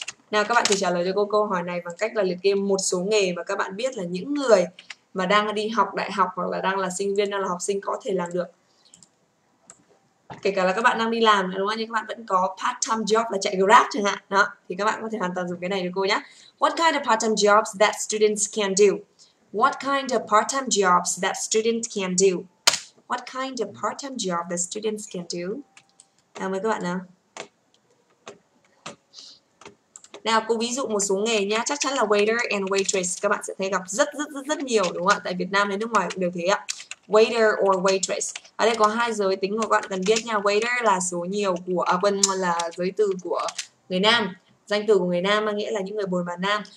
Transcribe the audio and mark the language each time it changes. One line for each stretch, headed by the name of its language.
Vietnamese: Nào các bạn thử trả lời cho cô câu hỏi này bằng cách là liệt kê một số nghề mà các bạn biết là những người mà đang đi học đại học hoặc là đang là sinh viên, đang là học sinh có thể làm được. Kể cả là các bạn đang đi làm đúng không, nhưng các bạn vẫn có part-time job là chạy Grab chẳng hạn đó, thì các bạn có thể hoàn toàn dùng cái này được cô nhé.
English: What kind of part-time jobs that students can do? What kind of part-time jobs that students can do? What kind of part-time job that students can do?
Vietnamese: Nào mời các bạn nào. Nào cô ví dụ một số nghề nhé, chắc chắn là waiter and waitress các bạn sẽ thấy gặp rất nhiều đúng không ạ, tại Việt Nam đến nước ngoài cũng đều thế ạ. Waiter or waitress. Ở đây có hai giới tính mà các bạn cần biết nha. Waiter là số nhiều của là giới từ của người nam, danh từ của người nam mang nghĩa là những người bồi bàn nam.